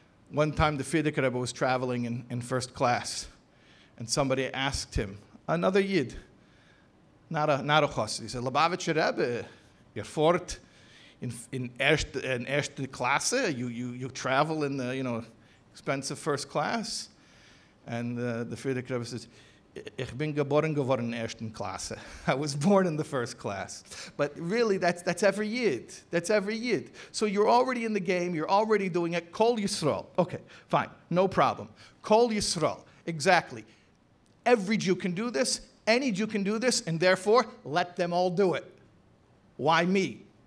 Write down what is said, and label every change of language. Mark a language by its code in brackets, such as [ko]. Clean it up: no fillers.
[en] One time the Friedrich Rebbe was traveling in first class. And somebody asked him, another Yid, not a chassid. He said, Lubavitcher Rebbe, you're [yi] fort in erste Klasse. [en] You travel in the, you know, expensive first class. And the Friedrich Rebbe says, [yi] Ich bin geboren geworden in ersten Klasse. [en] I was born in the first class. But really, that's every Yid. That's every Yid. So you're already in the game. You're already doing it. Kol Yisrael. Okay, fine. No problem. Kol Yisrael. Exactly. Every Jew can do this, any Jew can do this, and therefore, let them all do it. Why me?